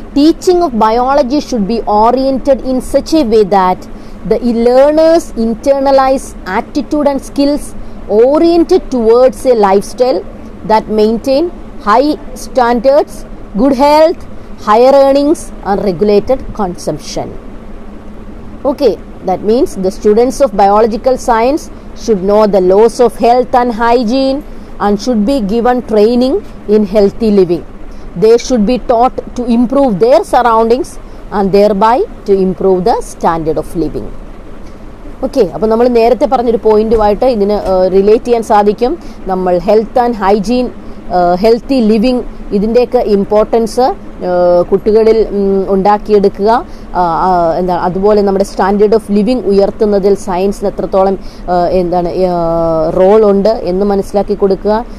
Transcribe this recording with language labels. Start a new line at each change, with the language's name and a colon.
English: Teaching of biology should be oriented in such a way that the learners internalise attitude and skills oriented towards a life style that maintain high standards, good health, higher earnings and regulated consumption. Okay, that means the students of biological science should know the laws of health and hygiene and should be given training in healthy living. They should be taught to improve their surroundings and thereby to improve the standard of living.
Malayalam: Okay, അപ്പോൾ നമ്മൾ നേരത്തെ പറഞ്ഞൊരു പോയിന്റുമായിട്ട് ഇതിന് relate ചെയ്യാൻ സാധിക്കും. നമ്മൾ
English: health and hygiene, healthy living
Malayalam: ഇതിൻ്റെയൊക്കെ importance കുട്ടികളിൽ ഉണ്ടാക്കിയെടുക്കുക. എന്താണ് അതുപോലെ നമ്മുടെ സ്റ്റാൻഡേർഡ് ഓഫ് ലിവിങ് ഉയർത്തുന്നതിൽ സയൻസിന് എത്രത്തോളം എന്താണ് റോൾ ഉണ്ട് എന്ന് മനസ്സിലാക്കി കൊടുക്കുക.